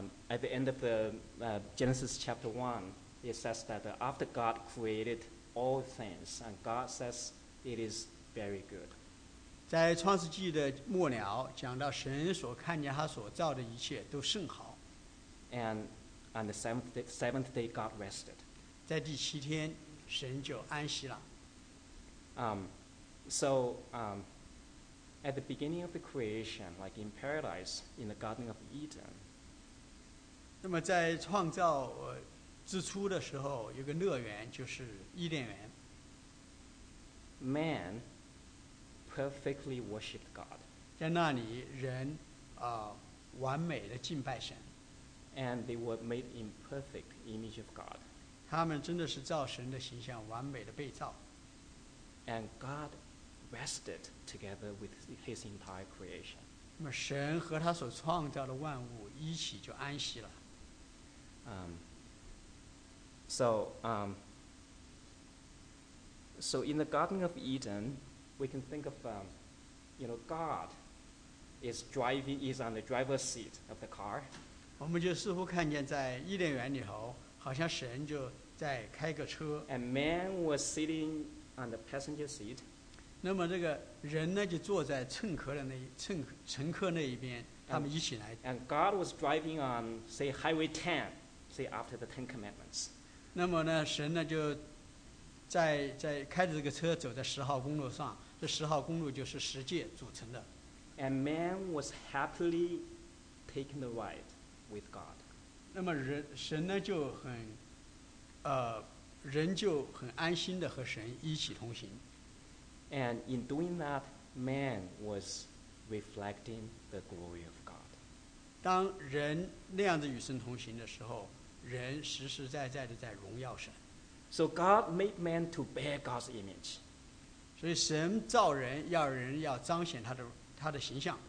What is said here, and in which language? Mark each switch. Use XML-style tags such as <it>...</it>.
<en>At the end of the Genesis chapter 1, it says that after God created all things, and God says it is very good.</en> <zh>在创世纪的末了，讲到神所看见他所造的一切都甚好。</zh> <en>And on the seventh day, God rested.</en> <zh>在第七天，神就安息了。</zh> <en>At the beginning of the creation, like in paradise, in the Garden of Eden.</en> <zh>那么在创造之初的时候，有个乐园，就是伊甸园。</zh> <en>Man perfectly worshipped God.</en> <zh>在那里人完美的敬拜神。</zh> <en>And they were made in perfect image of God.</en> <zh>他们真的是造神的形象，完美的被造。</zh> <en>And God rested together with his entire creation.</en> <zh>那么神和他所创造的万物一起就安息了。</zh> <en>So in the Garden of Eden, we can think of, God is on the driver's seat of the car.</en> <zh>我们就似乎看见在伊甸园里头，好像神就在开个车。</zh> <en>And man was sitting on the passenger seat.</en> <zh>那么这个人呢，就坐在乘客那一边，他们一起来。</zh> <en>And God was driving on, say, Highway 10, say, after the Ten Commandments.</en> <zh>那么呢，神呢就在开着这个车走在十号公路上，这十号公路就是十诫组成的。</zh> <en>And man was happily taking the ride with God.</en> <zh>那么人就很安心的和神一起同行。</zh> <en>And in doing that, man was reflecting the glory of God.</en> <zh>当人那样子与神同行的时候，人实实在在的在荣耀神。</zh> <en>So God made man to bear God's image.</en> <zh>所以神造人要人要彰显他的形象。</zh>